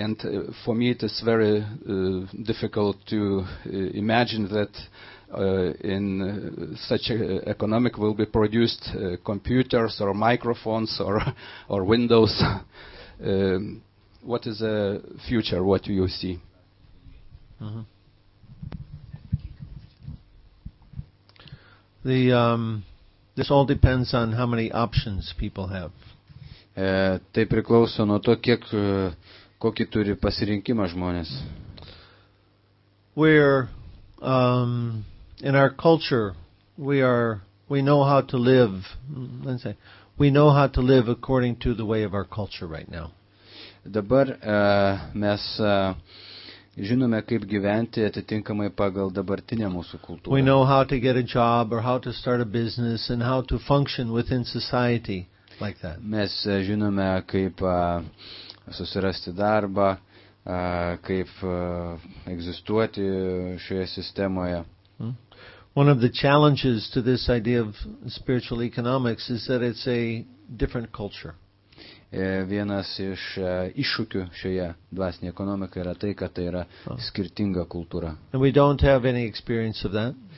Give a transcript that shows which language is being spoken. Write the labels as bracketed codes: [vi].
[en] And for me it is very difficult to imagine that in such economic will be produced computers or microphones or windows. What is the future? What do you see? Mm-hmm. This all depends on how many options people have. [lt] Tai priklauso nuo to, kiek kokį turi pasirinkimą žmonės. [en] We're in our culture, we know how to live, let's say, we know how to live according to the way of our culture right now. [lt] Dabar mes žinome, kaip gyventi atitinkamai pagal dabartinę mūsų kultūrą. [en] We know how to get a job or how to start a business and how to function within society like that. [lt] Mes žinome, kaip susirasti darbą, kaip egzistuoti šioje sistemoje. [en] One of the challenges to this idea of spiritual economics is that it's a different culture. [lt] Vienas iš iššūkių šioje dvasinėje ekonomikoje yra tai, kad tai yra skirtinga kultūra. [en] And we don't have any experience of that.